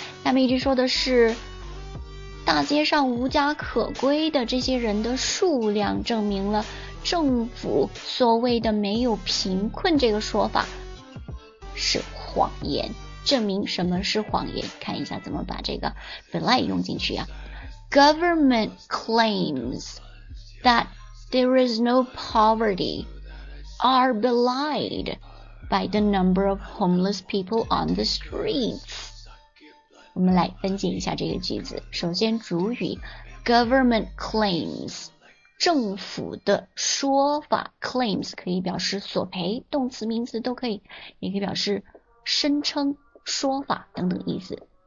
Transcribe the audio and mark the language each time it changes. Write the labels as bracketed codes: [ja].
[zh] 下面一句说的是。大街上无家可归的这些人的数量证明了政府所谓的没有贫困这个说法是谎言。证明什么是谎言，看一下怎么把这个 belie 用进去啊。 [en] Government claims that there is no poverty are belied by the number of homeless people on the streets。 [zh] 我们来分解一下这个句子。首先主语 [en] government claims， [zh] 政府的说法。 claims 可以表示索赔，动词名词都可以，也可以表示声称说法等等意思。